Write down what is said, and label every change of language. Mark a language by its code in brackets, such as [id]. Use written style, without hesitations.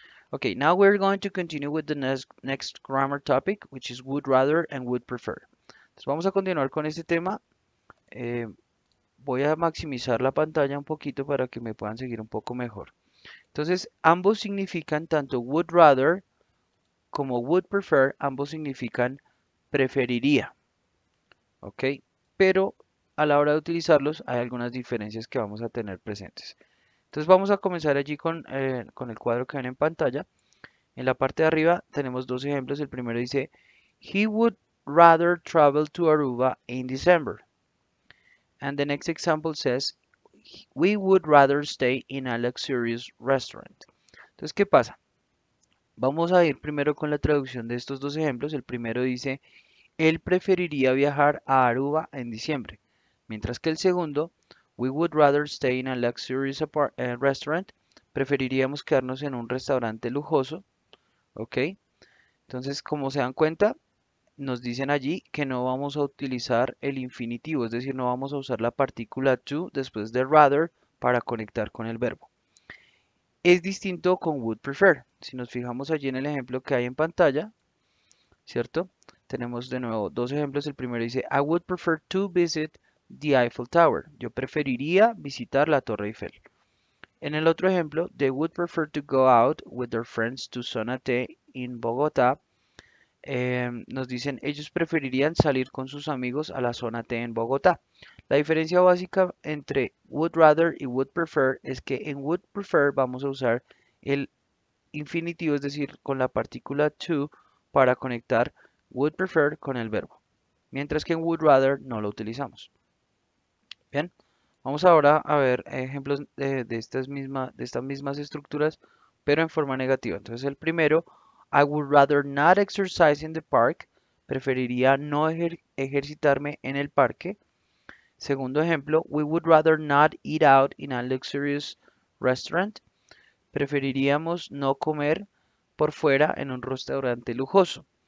[en] Ok, now we're going to continue with the next grammar topic, which is would rather and would prefer. [es] Entonces vamos a continuar con este tema. Voy a maximizar la pantalla un poquito para que me puedan seguir un poco mejor. Entonces, ambos significan tanto would rather como would prefer, ambos significan preferiría. Ok, pero a la hora de utilizarlos hay algunas diferencias que vamos a tener presentes. Entonces vamos a comenzar allí con el cuadro que ven en pantalla. En la parte de arriba tenemos dos ejemplos. El primero dice, [en] he would rather travel to Aruba in December. And the next example says, we would rather stay in a luxurious restaurant. [es] Entonces, ¿qué pasa? Vamos a ir primero con la traducción de estos dos ejemplos. El primero dice, él preferiría viajar a Aruba en diciembre. Mientras que el segundo, [en] we would rather stay in a luxurious restaurant, [es] preferiríamos quedarnos en un restaurante lujoso. ¿Ok? Entonces, como se dan cuenta, nos dicen allí que no vamos a utilizar el infinitivo, es decir, no vamos a usar la partícula to después de rather para conectar con el verbo. Es distinto con would prefer. Si nos fijamos allí en el ejemplo que hay en pantalla, ¿cierto? Tenemos de nuevo dos ejemplos. El primero dice, [en] I would prefer to visit the Eiffel Tower. [es] Yo preferiría visitar la Torre Eiffel. En el otro ejemplo, [en] they would prefer to go out with their friends to Sonate in Bogotá. [es] Nos dicen, ellos preferirían salir con sus amigos a la Sonate en Bogotá. La diferencia básica entre would rather y would prefer es que en would prefer vamos a usar el infinitivo, es decir, con la partícula to para conectar would prefer con el verbo. Mientras que en would rather no lo utilizamos. Bien, vamos ahora a ver ejemplos de estas mismas estructuras, pero en forma negativa. Entonces, el primero, [en] I would rather not exercise in the park. [es] Preferiría no ejercitarme en el parque. Segundo ejemplo, [en] we would rather not eat out in a luxurious restaurant. [es] Preferiríamos no comer por fuera en un restaurante lujoso.